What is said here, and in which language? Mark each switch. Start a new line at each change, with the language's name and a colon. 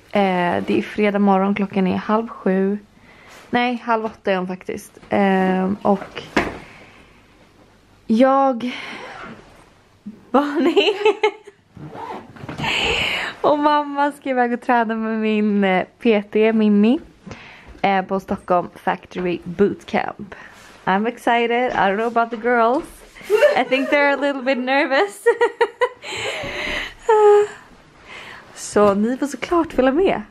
Swedish: Det är fredag morgon, klockan är 7:30. Nej, 7:30 är hon faktiskt. Och jag... Bonnie. Och mamma ska iväg och träna med min PT, Mimmi. På Stockholm Factory Bootcamp.
English: I'm excited, I don't know about the girls. I think they're a little bit nervous.
Swedish: Så ni får såklart följa med.